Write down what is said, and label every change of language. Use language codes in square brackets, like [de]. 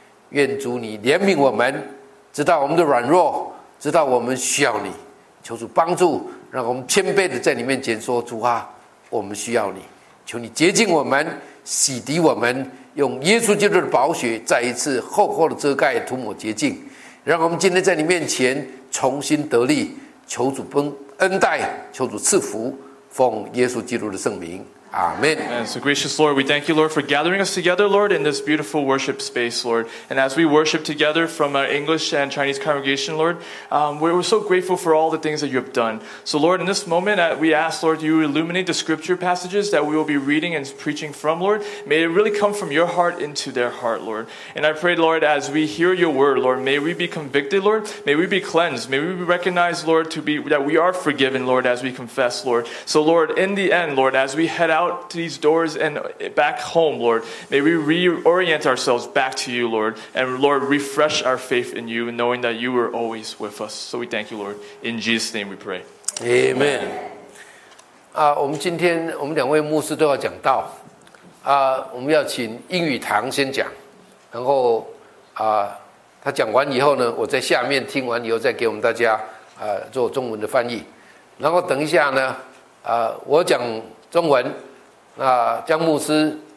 [zh] 愿主你怜悯我们，知道我们的软弱，知道我们需要你，求主帮助，让我们谦卑的在你面前说，主啊，我们需要你，求你洁净我们，洗涤我们，用耶稣基督的宝血再一次厚厚的遮盖涂抹洁净，让我们今天在你面前重新得力，求主恩待，求主赐福，奉耶稣基督的圣名，Amen. [en] And so gracious Lord, we thank you, Lord, for gathering us together, Lord, in this beautiful worship space, Lord. And as we worship together from our English and Chinese congregation, Lord, we're so grateful for all the things that you have done. So Lord, in this moment, we ask, Lord, you illuminate the scripture passages that we will be reading and preaching from, Lord. May it really come from your heart into their heart, Lord. And I pray, Lord, as we hear your word, Lord, may we be convicted, Lord. May we be cleansed. May we be recognized, Lord, that we are forgiven, Lord, as we confess, Lord. So Lord, in the end, Lord, as we head out to these doors and back home, Lord, may we reorient ourselves back to you, Lord, and Lord, refresh our faith in you, knowing that you are always with us. So we thank you, Lord. In Jesus' name we pray. Amen. [zh] 我们今天我们两位牧师都要讲道，我们要请英语堂先讲，然后他讲完以后呢，我在下面听完以后再给我们大家做中文的翻译，然后等一下呢，我讲中文，那江牧师，